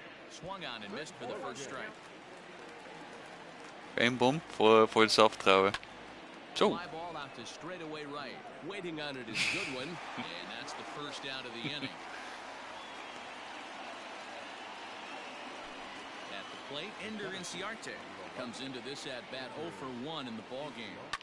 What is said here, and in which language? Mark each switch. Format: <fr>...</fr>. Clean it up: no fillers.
<en>Swung on and missed for the first strike.</en> <nl>Eén bom voor het zelfvertrouwen. Zo.</nl> <en>Ball out to straightaway right. Waiting on it is Goodwin. And that's the first out of the inning. At the plate, Ender Inciarte comes into this at bat 0 for 1 in the ball game.</en>